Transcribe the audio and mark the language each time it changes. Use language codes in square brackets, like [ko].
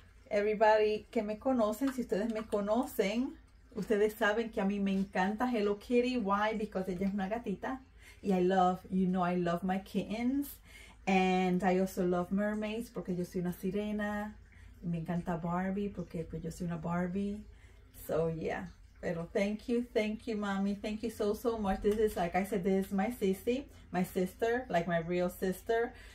[en] Everybody [es] que me conocen, si ustedes me conocen, ustedes saben que a mí me encanta Hello Kitty. [en] Why? Because [es] ella es una gatita. Y [en] I love, you know, I love my kittens. And I also love mermaids [es] porque yo soy una sirena. Y me encanta Barbie porque pues yo soy una Barbie. [en] So, yeah. [es] Pero [en] thank you, mommy. Thank you so, so much. This is, like I said, this is my sissy, my sister, like my real sister.